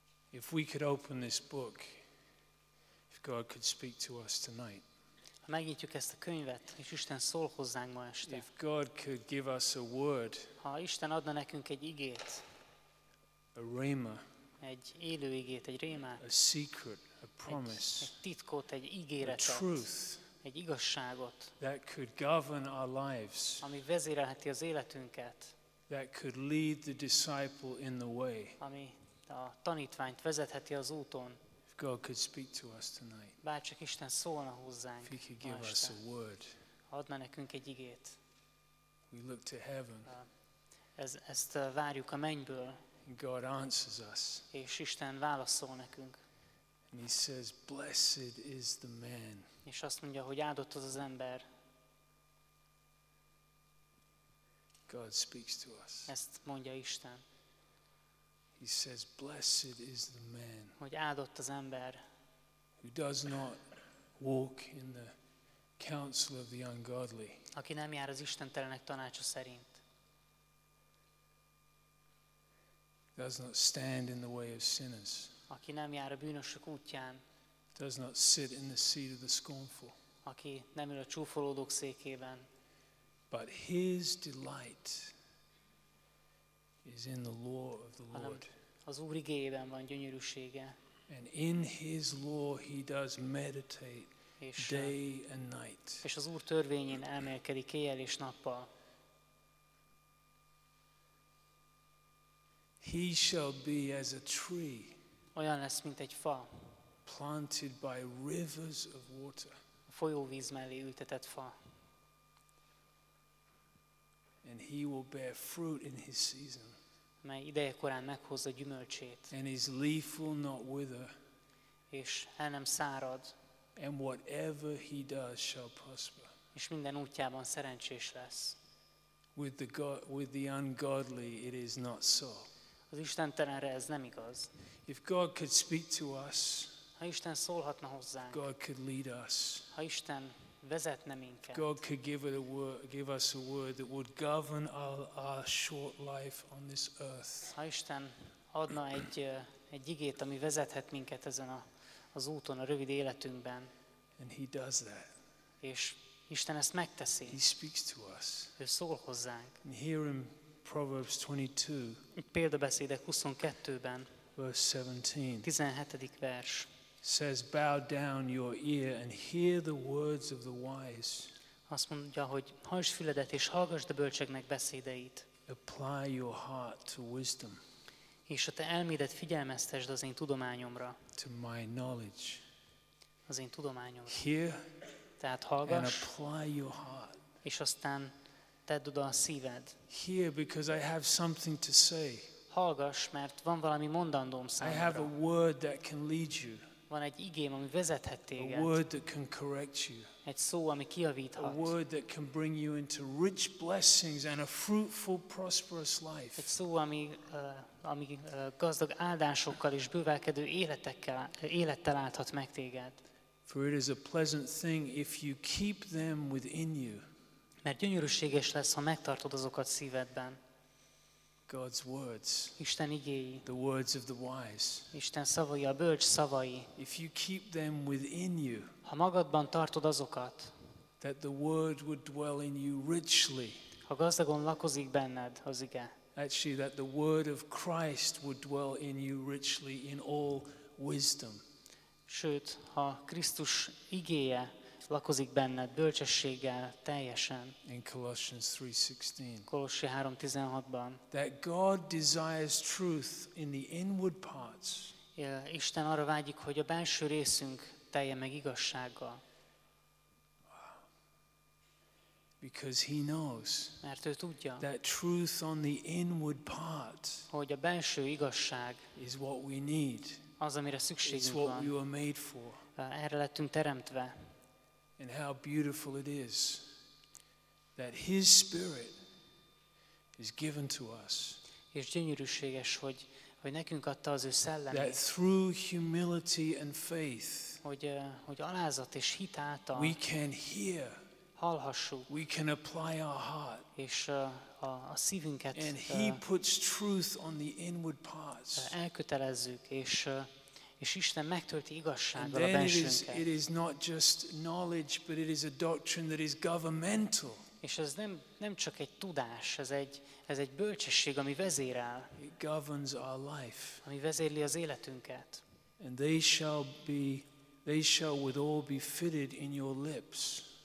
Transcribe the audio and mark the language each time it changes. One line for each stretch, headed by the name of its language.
English: If we could open this book, God could speak to us tonight.
Hungarian: Ha megnyitjuk ezt a könyvet, és Isten szól hozzánk ma este.
English: If God could give us a word.
Hungarian: Ha Isten adna nekünk egy igét.
English: A réma.
Hungarian: Egy élő igét, egy rémát.
English: A secret, a promise.
Hungarian: Egy titkot, egy ígéretet.
English: A truth.
Hungarian: Egy igazságot.
English: That could govern our lives.
Hungarian: Ami vezérelheti az életünket.
English: That could lead the disciple in the way.
Hungarian: Ami a tanítványt vezetheti az úton.
English: God could speak to us tonight.
Hungarian: Bárcsak Isten szólna hozzánk.
English: If he could give us a word.
Hungarian: Adna nekünk egy igét.
English: We look to heaven.
Hungarian: Ezt várjuk a mennyből.
English: God answers us.
Hungarian: És Isten válaszol nekünk.
English: And he says, blessed is the man.
Hungarian: És azt mondja, hogy áldott az az ember.
English: God speaks to us.
Hungarian: Ezt mondja Isten.
English: He says, "Blessed is the man."
Hungarian: Hogy áldott az ember.
English: Who does not walk in the counsel of the ungodly.
Hungarian: Aki nem jár az istentelenek tanácsa szerint.
English: Does not stand in the way of sinners.
Hungarian: Aki nem jár a bűnösök útján.
English: Does not sit in the seat of the scornful.
Hungarian: Aki nem ül a csúfolódók székében.
English: But his delight is in the law of the Lord.
Hungarian: Az Úr igéjében van gyönyörűsége.
English: And in his law he does meditate day and night.
Hungarian: És az Úr törvényén elmélkedik éjjel és nappal.
English: He shall be as a tree.
Hungarian: Olyan lesz, mint egy fa.
English: Planted by rivers of water.
Hungarian: A folyóvíz mellé ültetett fa.
English: And he will bear fruit in his season.
Hungarian: Mely ideje korán meghozza gyümölcsét.
English: And his leaf will not wither.
Hungarian: És el nem szárad.
English: And whatever he does shall prosper.
Hungarian: És minden útjában szerencsés lesz.
English: With the ungodly it is not so.
Hungarian: Az istentelenre ez nem igaz.
English: If God could speak to us.
Hungarian: Ha Isten szólhatna hozzánk.
English: God could lead us.
Hungarian: Ha Isten vezetne minket.
English: God could give us a word that would govern our short life on this earth.
Hungarian: Ha Isten adna egy igét, ami vezethet minket ezen az úton, a rövid életünkben.
English: And he does that.
Hungarian: És Isten ezt megteszi.
English: He speaks to us.
Hungarian: Ő szól hozzánk.
English: And here in Proverbs 22.
Hungarian: Példabeszédek 22-ben.
English: Verse 17.
Hungarian: 17. vers.
English: Says, bow down your ear and hear the words of the wise.
Hungarian: Azt mondja, hogy hajtsd füledet és hallgasd a bölcseknek beszédeit.
English: Apply your heart to wisdom.
Hungarian: És a te elmédet figyelmeztesd az én tudományomra.
English: To my knowledge.
Hungarian: Az én tudományomra.
English: Hear.
Hungarian: Tehát hallgass.
English: And apply your heart.
Hungarian: És aztán tedd oda a szíved.
English: Hear, because I have something to say.
Hungarian: Hallgass, mert van valami mondandóm számodra.
English: I have a word that can lead you.
Hungarian: Van egy igém, ami vezethet téged.
English: A word that can correct you.
Hungarian: Egy szó, ami kijavíthat.
English: A word that can bring you into rich blessings and a fruitful, prosperous life.
Hungarian: Egy szó, ami gazdag áldásokkal és bővelkedő élettel állhat meg téged.
English: For it is a pleasant thing if you keep them within you.
Hungarian: Mert gyönyörűséges lesz, ha megtartod azokat szívedben.
English: God's words.
Hungarian: Isten igéi.
English: The words of the wise.
Hungarian: Isten szavai, a bölcs szavai.
English: If you keep them within you.
Hungarian: Ha magadban tartod azokat.
English: That the word would dwell in you richly.
Hungarian: Ha gazdagon lakozik benned az ige.
English: Actually, that the word of Christ would dwell in you richly in all wisdom.
Hungarian: Sőt, ha Krisztus igéje lakozik benned bölcsességgel teljesen.
English: In Colossians 3:16.
Hungarian: Kolossi 3:16-ban.
English: That God desires truth in the inward parts.
Hungarian: Isten arra vágyik, hogy a belső részünk telje meg igazsággal.
English: Because he knows.
Hungarian: Mert ő tudja.
English: That truth on the inward part.
Hungarian: Hogy a belső igazság.
English: Is what we need.
Hungarian: Az, amire szükségünk van.
English: It's what we were made for.
Hungarian: Erre lettünk teremtve.
English: And how beautiful it is that his spirit is given to us.
Hungarian: És gyönyörűséges, hogy nekünk adta az ő szellemét.
English: That through humility and faith.
Hungarian: Hogy alázat és hit által.
English: We can hear.
Hungarian: Hallhassuk.
English: We can apply our heart.
Hungarian: És a szívünket.
English: And he puts truth on the inward parts.
Hungarian: Elkötelezzük és Isten megtölti igazsággal a bensőnket.
English: It is not just knowledge, but it is a doctrine that is governmental.
Hungarian: És ez nem csak egy tudás, ez egy bölcsesség, ami vezérel.
English: It governs our life.
Hungarian: Ami vezérli az életünket.
English: And they shall with all be fitted in your lips.